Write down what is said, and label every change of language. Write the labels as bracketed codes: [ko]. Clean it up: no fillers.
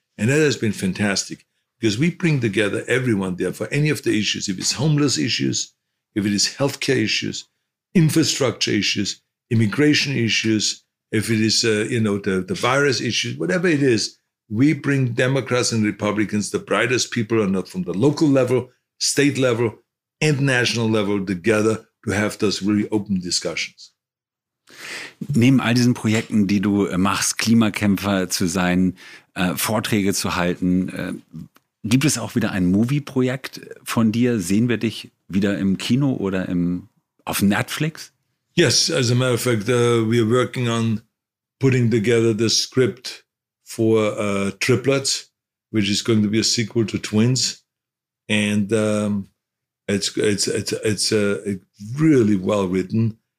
[en] And that has been fantastic because we bring together everyone there for any of the issues, if it's homeless issues, if it is healthcare issues, infrastructure issues, immigration issues, if it is, you know, the virus issues, whatever it is, we bring Democrats and Republicans, the brightest people are not from the local level, state level, and national level together to have those really open discussions. [de] Neben all diesen Projekten, die du machst, Klimakämpfer zu sein, Vorträge zu halten, gibt es auch wieder ein Movie-Projekt von dir? Sehen wir dich wieder im Kino oder auf Netflix? [en] Yes, as a matter of fact, we are working on putting together the script for Triplets, which is going to be a sequel to Twins. And it's really well written.